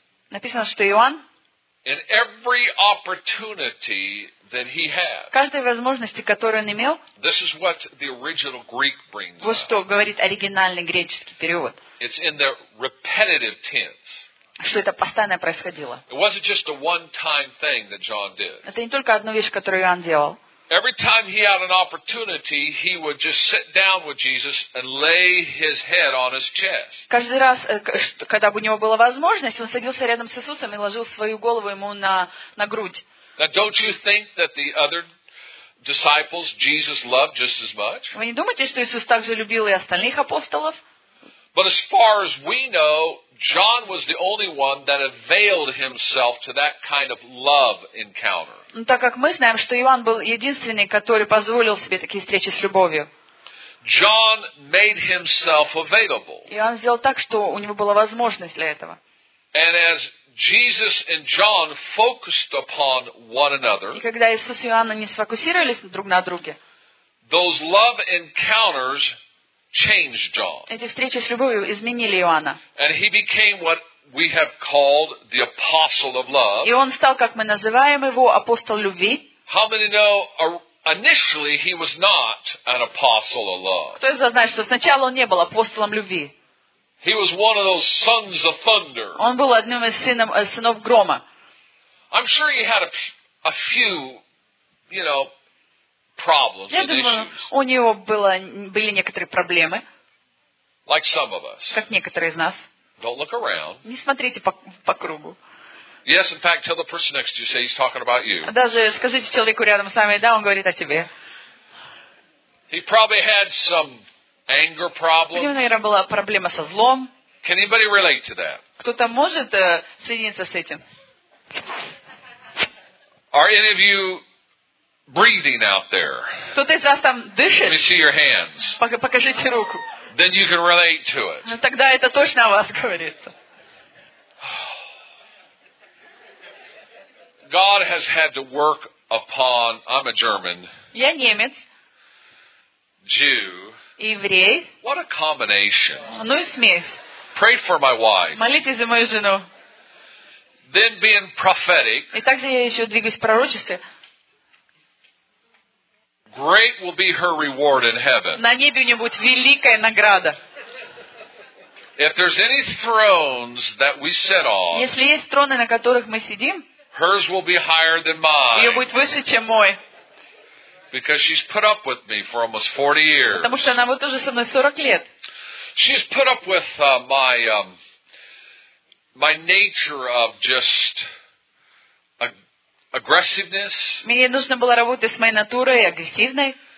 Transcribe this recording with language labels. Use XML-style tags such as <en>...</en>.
<ru>написано, что Иоанн</ru> <en>in every opportunity that he had,</en> <ru>каждой возможности, которую он имел,</ru> <en>this is what the original Greek brings</en> <ru>вот что говорит оригинальный греческий перевод.</ru> <en>It's in the repetitive tense.</en> <ru>Что это постоянно происходило.</ru> <en>It wasn't just a one-time thing that John did.</en> <ru>Это не только одну вещь, которую Иоанн делал.</ru> <en>Every time he had an opportunity, he would just sit down with Jesus and lay his head on his chest.</en> <ru>Каждый раз, когда у него была возможность, он садился рядом с Иисусом и ложил свою голову ему на грудь.</ru> <en>Now, don't you think that the other disciples Jesus loved just as much?</en> <ru>Вы не думаете, что Иисус также любил и остальных апостолов?</ru> <en>But as far as we know, John was the only one that availed himself to that kind of love encounter.</en> <ru>Ну, так как мы знаем, что Иоанн был единственный, который позволил себе такие встречи с любовью.</ru> <en>John made himself available.</en> <ru>Иоанн сделал так, что у него была возможность для этого.</ru> <en>And as Jesus and John focused upon one another,</en> <ru>и когда Иисус и Иоанн не сфокусировались друг на друге,</ru> <en>those love encounters changed John.</en> <ru>Эти встречи с любовью изменили Иоанна.</ru> <en>And he became what we have called the apostle of love.</en> <ru>И он стал, как мы называем его, апостол любви.</ru> <en>How many know initially he was not an apostle of love?</en> <ru>Кто из вас знает, что сначала он не был апостолом любви?</ru> <en>He was one of those sons of thunder.</en> <ru>Он был одним из сынов грома.</ru> <en>I'm sure he had a few, you know, problems.</en> <ru>Я думаю, у него были некоторые проблемы.</ru> <en>Like some of us.</en> <ru>Как некоторые из нас.</ru> <en>Don't look around.</en> <ru>Не смотрите по кругу.</ru> <en>Yes, in fact, tell the person next to you, say he's talking about you.</en> <ru>Даже скажите человеку рядом с вами, да, он говорит о тебе.</ru> <en>He probably had some anger problems.</en> <ru>У него, наверное, была проблема со злом.</ru> <en>Can anybody relate to that?</en> <ru>Кто-то может соединиться с этим?</ru> <en>Are any of you breathing out there?</en> <ru>Кто-то из вас там дышит?</ru> <en>Let me see your hands.</en> <ru>Покажите руку.</ru> <en>Then you can relate to it.</en> <ru>Ну тогда это точно о вас говорится.</ru> <en>God has had to work upon. I'm a German.</en> <ru>Я немец.</ru> <en>Jew.</en> <ru>Еврей.</ru> <en>What a combination.</en> <ru>Ну и смесь.</ru> <en>Pray for my wife.</en> <ru>Молитесь за мою жену.</ru> <en>Then being prophetic.</en> <ru>И также я еще двигаюсь в пророчестве.</ru> <en>Great will be her reward in heaven.</en> <ru>На небе у нее будет великая награда.</ru> <en>If there's any thrones that we sit on,</en> <ru>если есть троны, на которых мы сидим,</ru> <en>hers will be higher than mine.</en> <ru>Ее будет выше, чем мой.</ru> <en>Because she's put up with me for almost 40 years.</en> <ru>Потому что она вот уже со мной 40 лет.</ru> <en>She's put up with my nature of just aggressiveness.</en> <ru>Мне нужно было работать с моей натурой агрессивной.</ru>